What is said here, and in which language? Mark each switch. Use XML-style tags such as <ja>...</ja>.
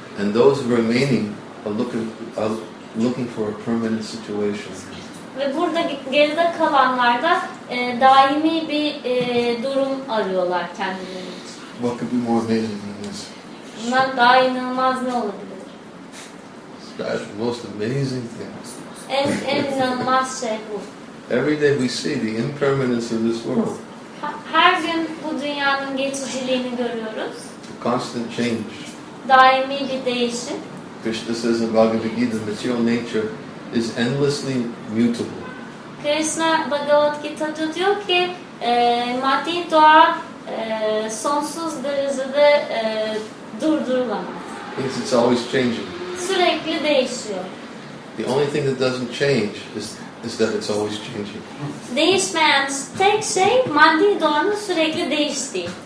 <en>And those remaining are looking for a permanent situation.</en> <tr>Ve burada geride kalanlar da daimi bir durum arıyorlar kendileri için.</tr> <en>What could be more amazing than this?</en> <tr>Bundan daha inanılmaz ne olabilir?</tr> <en>That's the most amazing thing.</en> <tr>En inanılmaz şey bu.</tr> <en>Every day we see the impermanence of this world.</en> <tr>Her gün bu dünyanın geçiciliğini görüyoruz.</tr> <en>The constant change.</en> <tr>Daimi bir değişim.</tr> <en>Krishna says in Bhagavad Gita, the material nature is endlessly mutable.</en> <tr>Krishna Bhagavad Gita'da diyor ki, maddi doğa sonsuz derecede durdurulamaz.</tr> <en>It's always changing.</en> <tr>Sürekli değişiyor.</tr> <en>The only thing that doesn't change is that it's always changing.</en> <tr>Değişmeyen tek şey maddi doğanın sürekli değiştiği.</tr>